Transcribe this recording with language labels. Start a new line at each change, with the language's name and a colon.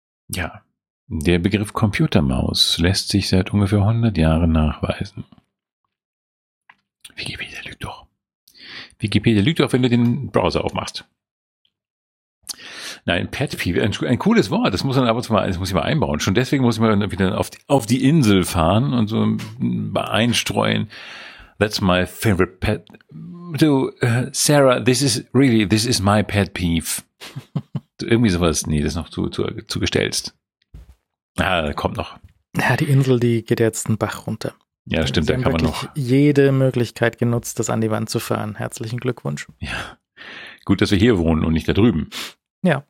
German: Ja, der Begriff Computermaus lässt sich seit ungefähr 100 Jahren nachweisen. Wikipedia lügt doch. Wikipedia lügt doch, wenn du den Browser aufmachst. Nein, Pet-Peeve, ein cooles Wort, das muss man aber mal, das muss ich mal einbauen. Schon deswegen muss ich mal wieder auf die Insel fahren und so einstreuen.
English: That's my favorite pet. Du, Sarah, this is my Pet-Peeve.
German: So, irgendwie sowas, nee, das ist noch zu gestellst. Ah, kommt noch. Ja, die Insel, die geht jetzt einen Bach runter. Ja, stimmt, da kann man noch. Jede Möglichkeit genutzt, das an die Wand zu fahren. Herzlichen Glückwunsch. Ja, gut, dass wir hier wohnen und nicht da drüben. Ja.